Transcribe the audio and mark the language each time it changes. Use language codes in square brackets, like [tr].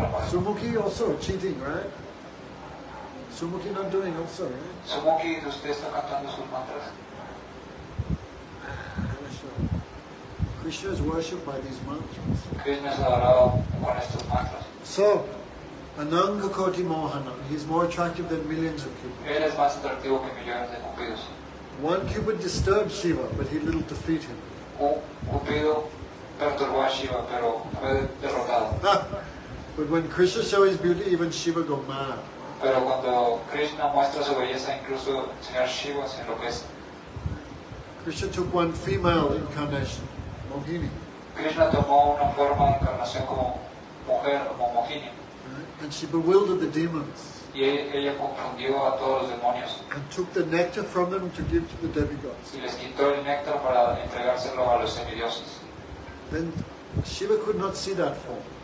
[en] Sumukhi also cheating, right? Sumukhi not doing also, right? [es] Sumukhi, usted está cantando sus mantras. [en] Krishna is worshipped by these mantras. [es] Krishna es adorado con estos mantras. [en] So, [sa] Ananga Koti Mohanam, [en] he's more attractive than millions of cupids. [es] Él es más atractivo que millones de cupidos. [en] One cupid disturbed Shiva, but he little defeat him. [es] Cupido. Perturbó a Shiva, pero fue derrotado. [en] But when Krishna shows his beauty, even Shiva go mad. [es] Pero cuando Krishna muestra su belleza, incluso el señor Shiva se enloquece. [en] Krishna took one female incarnation, Mohini. [es] Krishna tomó una forma de encarnación como mujer, como Mohini. [en] Right? And she bewildered the demons. [es] Y ella confundió a todos los demonios. [en] And took the nectar from them to give to the demigods. [es] Y les quitó el néctar para entregárselo a los semidioses. [en] Then Shiva could not see that form.